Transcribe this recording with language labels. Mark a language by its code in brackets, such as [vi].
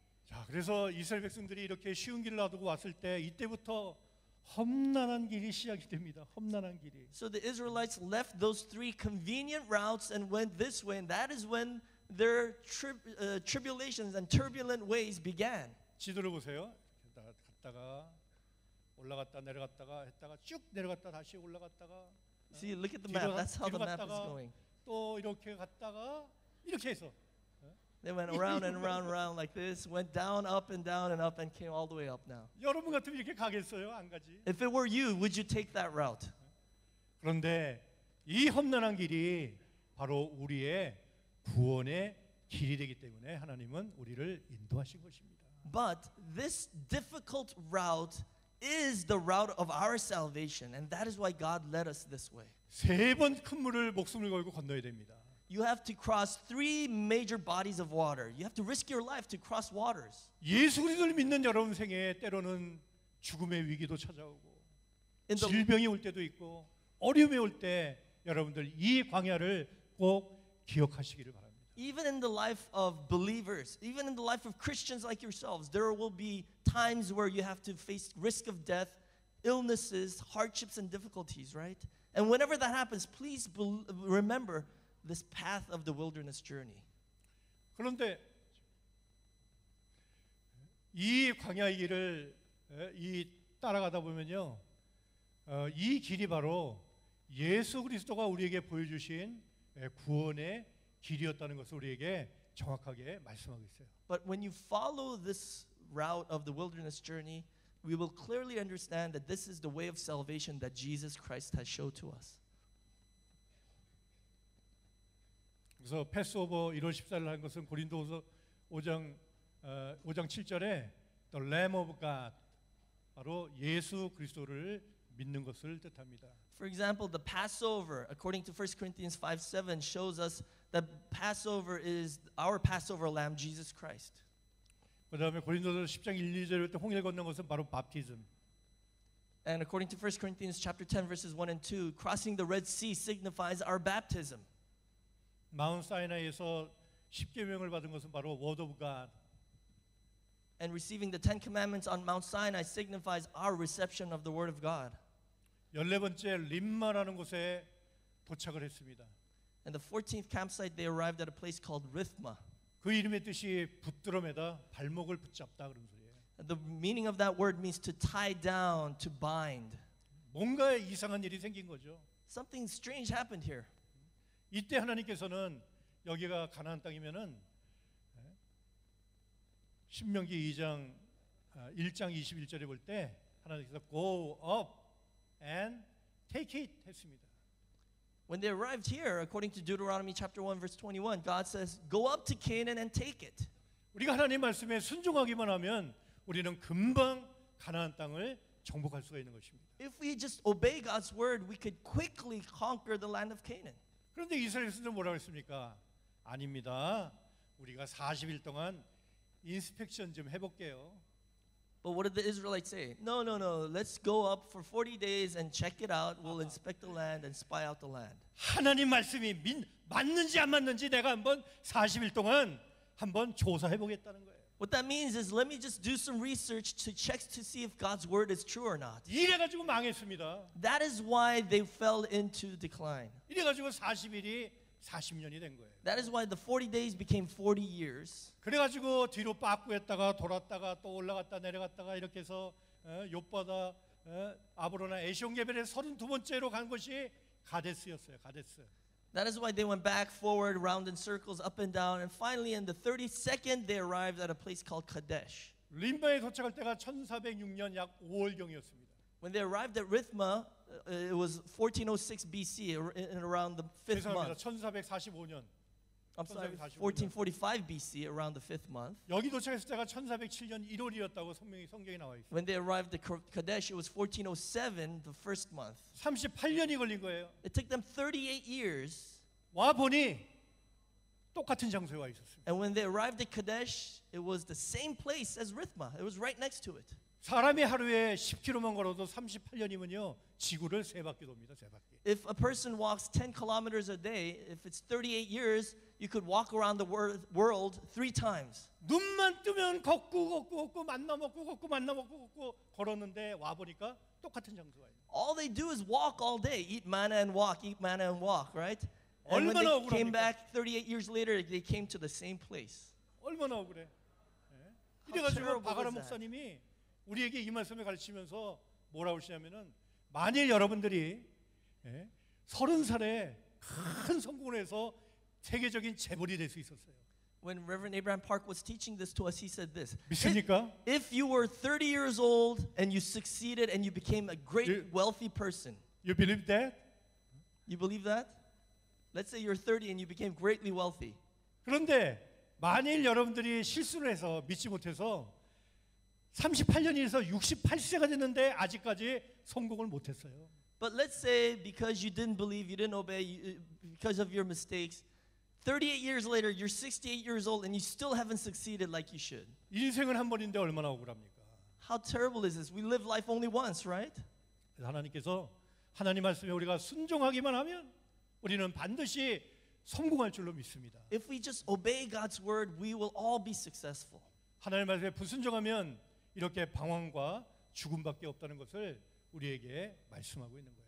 [ko] 자, 그래서 이스라엘 백성들이 이렇게 쉬운 길을 놔두고 왔을 때 이때부터 험난한 길이 시작이 됩니다. 험난한 길이. [en] So the Israelites left those three convenient routes and went this way and that is when their tribulations and turbulent ways began. [ko] 지도를 보세요. 갔다가 올라갔다 내려갔다가 했다가 쭉 내려갔다 다시 올라갔다가 [en] See, look at the map. That's how the map is going. [ko] 또 이렇게 갔다가 이렇게 해서 [en] They went around and around and around like this, went down, up and down and up and came all the way up now. [ko] 여러분 같으면 이렇게 가겠어요? 안 가지? [en] If it were you, would you take that route? [ko] 그런데 이 험난한 길이 바로 우리의 구원의 길이 되기 때문에 하나님은 우리를 인도하신 것입니다. [en] But this difficult route is the route of our salvation and that is why God led us this way. [ko] 세 번 큰 물을 목숨을 걸고 건너야 됩니다. [en] You have to cross three major bodies of water. You have to risk your life to cross waters. [ko] 예수 그리스도를 믿는 여러분 생에 때로는 죽음의 위기도 찾아오고 질병이 올 때도 있고 어려움이 올 때 여러분들 이 광야를 꼭 기억하시기를 바랍니다. [en] Even in the life of believers, even in the life of Christians like yourselves, there will be times where you have to face risk of death illnesses, hardships, and difficulties, right? And whenever that happens, please remember this path of the wilderness journey. [ko] 그런데 이 광야의 길을 이 따라가다 보면요, 이 길이 바로 예수 그리스도가 우리에게 보여주신 구원의 길이었다는 것을 우리에게 정확하게 말씀하고 있어요. [en] But when you follow this route of the wilderness journey, we will clearly understand that this is the way of salvation that Jesus Christ has showed to us. [ko] 그래서 패스오버 1월 14일 한 것은 고린도후서 5장 5장 7절에 [en] the Lamb of God [ko] 바로 예수 그리스도를 믿는 것을 뜻합니다. [en] For example, the Passover, according to 1 Corinthians 5:7, shows us that Passover is our Passover Lamb, Jesus Christ. [ko] 그다음에 고린도서 10장 1, 2절에 또 홍해를 건넌 것은 바로 바ptism. [en] And according to 1 Corinthians chapter 10 verses 1 and 2, crossing the Red Sea signifies our baptism. [ko] 마운트 사이나이에서 십계명을 받은 것은 바로 [en] Word of God. And receiving the Ten Commandments on Mount Sinai signifies our reception of the Word of God. [ko] 14번째 림마라는 곳에 도착을 했습니다. [en] And the 14th campsite, they arrived at a place called Rithma. [ko] 그 이름의 뜻이 붙들어매다, 발목을 붙잡다 그런 소리예요. [en] And the meaning of that word means to tie down, to bind. [ko] 뭔가 이상한 일이 생긴 거죠. [en] Something strange happened here. [ko] 이때 하나님께서는 여기가 가나안 땅이면은 신명기 2장 1장 21절에 볼 때 하나님께서 [en] go up and take it [ko] 했습니다. [en] When they arrived here, according to Deuteronomy chapter 1 verse 21, God says, "Go up to Canaan and take it." [ko] 우리가 하나님 말씀에 순종하기만 하면 우리는 금방 가나안 땅을 정복할 수가 있는 것입니다. [en] If we just obey God's word, we could quickly conquer the land of Canaan. [ko] 그런데 이스라엘에서는 뭐라고 했습니까? 아닙니다. 우리가 40일 동안 인스펙션 좀 해볼게요. [en] But what did the Israelites say? No, no, no. Let's go up for 40 days and check it out. We'll inspect the land and spy out the land. [ko] 하나님 말씀이 맞는지 안 맞는지 내가 한번 40일 동안 한번 조사해보겠다는 거예요. [en] What that means is let me just do some research to check to see if God's word is true or not. [ko] 이래가지고 망했습니다. [en] That is why they fell into decline. [ko] 이래가지고 40일이 40년이 된 거예요. [en] That is why the 40 days became 40 years. [ko] 그래가지고 뒤로 빠꾸했다가 돌았다가 또 올라갔다 내려갔다가 이렇게 해서 욥바다 아브로나 에시온게벨의 32번째로 간 곳이 가데스였어요. 가데스. [en] That is why they went back, forward, round in circles, up and down, and finally in the 32nd they arrived at a place called Kadesh. [ko] 림마에 도착할 때가 1406년 약 5월경이었습니다. [en] When they arrived at Rithma, it was 1406 BC, in around the 5th month. [ko] 죄송합니다. 1445년. [en] I'm sorry, 1445 BC, around the 5th month. [ko] 여기 도착했을 때가 1407년 1월이었다고 성경이 나와 있어요. [en] When they arrived at Kadesh, it was 1407, the first month. [ko] 38년이 걸린 거예요. [en] It took them 38 years. [ko] 와 보니 똑같은 장소에 와 있었습니다. [en] And when they arrived at Kadesh, it was the same place as Rithma. It was right next to it. [ko] 사람이 하루에 10km만 걸어도 38년이면요, 지구를 세 바퀴 돕니다, 세 바퀴. [en] If a person walks 10 kilometers a day, if it's 38 years, you could walk around the world 3 times. [ko] 눈만 뜨면 걷고 걷고 걷고 만나 먹고 걷고 만나 먹고 걷고 걸었는데 와 보니까 똑같은 장소가 있어요. [en] All they do is walk all day, eat manna and walk, eat manna and walk, right? And [ko] 얼마나 [en] when they [ko] 억울합니까? [en] Came back 38 years later, they came to the same place. [ko] 얼마나 억울해. 네. 그래서 박아라 목사님이 우리에게 이 말씀을 가르치면서 뭐라고 하시냐면은 만일 여러분들이 서른 살에 큰 성공을 해서 세계적인 재벌이 될 수 있었어요. [en] When Reverend Abraham Park was teaching this to us, he said this. [ko] 믿습니까? [en] If you were 30 years old and you succeeded and you became a great wealthy person. You believe that? You believe that? Let's say you're 30 and you became greatly wealthy. [ko] 그런데 만일 여러분들이 실수를 해서 믿지 못해서 38년에서 68세가 됐는데 아직까지 성공을 못했어요. [en] But let's say because you didn't believe, you didn't obey, because of your mistakes, 38 years later, you're 68 years old and you still haven't succeeded like you should. [ko] 인생은 한 번인데 얼마나 억울합니까? [en] How terrible is this? We live life only once, right? [ko] 하나님께서 하나님 말씀에 우리가 순종하기만 하면 우리는 반드시 성공할 줄로 믿습니다. [en] If we just obey God's word, we will all be successful. [ko] 하나님 말씀에 불순종하면 이렇게 방황과 죽음밖에 없다는 것을 우리에게 말씀하고 있는 거예요.